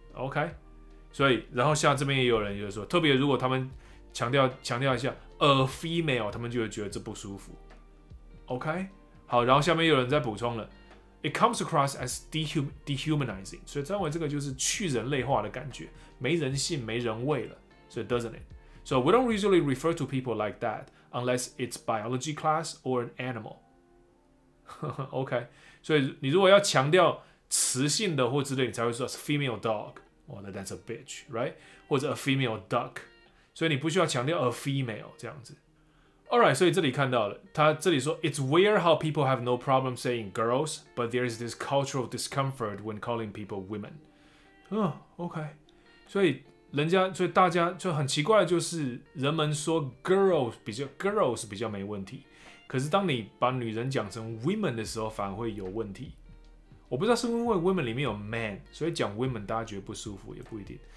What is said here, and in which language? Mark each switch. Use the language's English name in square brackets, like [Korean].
[Chinese] OK， 所以然后像这边也有人就是说，特别如果他们强调一下 [English] a female， [Chinese] 他们就会觉得这不舒服。 OK， 好，然后下面有人在补充了。 [English] It comes across as dehumanizing. [Chinese] 所以认为这个就是去人类化的感觉，没人性，没人味了。 [English] 所以 doesn't it? So we don't usually refer to people like that unless it's biology class or an animal. [Chinese] OK. 所以你如果要强调雌性的或之类，你才会说 [English] female dog. Well, that's a bitch, right? [Chinese] 或者 [English] a female duck. [Chinese] 所以你不需要强调 [English] a female [Chinese] 这样子。 [English] Alright, [Chinese] 所以这里看到了，他这里说 [English] It's weird how people have no problem saying girls, but there is this cultural discomfort when calling people women. OK. [Chinese] 所以人家，所以大家就很奇怪的就是人们说 girls 比较没问题，可是当你把女人讲成 women 的时候反而会有问题。我不知道是因为 women 里面有 man, 所以讲 women 大家觉得不舒服，也不一定。